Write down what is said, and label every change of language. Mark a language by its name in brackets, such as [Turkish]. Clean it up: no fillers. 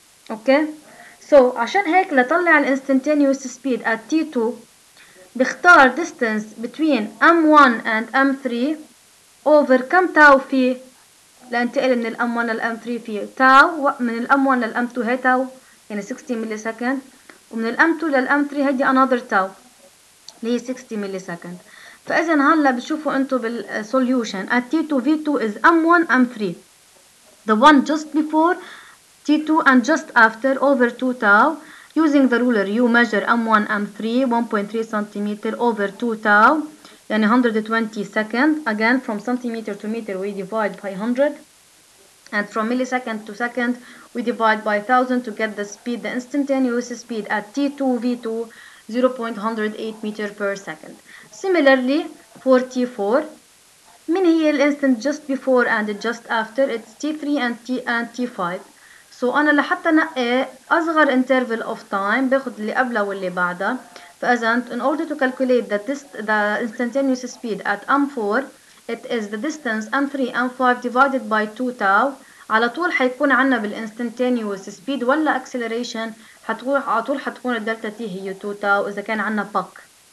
[Arabic] أوكي؟ So عشان هيك لطلع الـ [English] instantaneous speed at T2 [Arabic] بختار [English] distance between M1 and M3 [Arabic] over كم تاو في لانتقل من الـ M1 للـ M3 في تاو، من الـ M1 للـ M2 هي تاو يعني 60 ملي سكند، ومن الـ M2 للـ M3 هيدي [English] another tau [Arabic] اللي هي 60 ملي سكند. فإذا هلا بتشوفوا انتو بالـ [English] solution at T2 V2 is M1 M3 the one just before T2 and just after over 2 tau using the ruler you measure M1 M3 1.3 cm over 2 tau [Arabic] يعني [English] 120 second again from centimeter to meter we divide by 100 and from millisecond to second we divide by 1000 to get the speed the instantaneous speed at T2 V2 0.108 meter per second. Similarly for T4 [Arabic] من هي الانستنت [English] just before and just after it's T3 and T and T5. [Arabic] So انا لحتى نقي اصغر [English] interval of time [Arabic] باخذ اللي قبله واللي بعده. فاذا [English] in order to calculate the instantaneous speed at M4 it is the distance M3 M5 divided by 2 tau. [Arabic] على طول حيكون عنا بال [English] instantaneous speed [Arabic] ولا acceleration حتروح على طول حتكون الدلتا تي هي [English] 2 tau [Arabic] اذا كان عنا باك.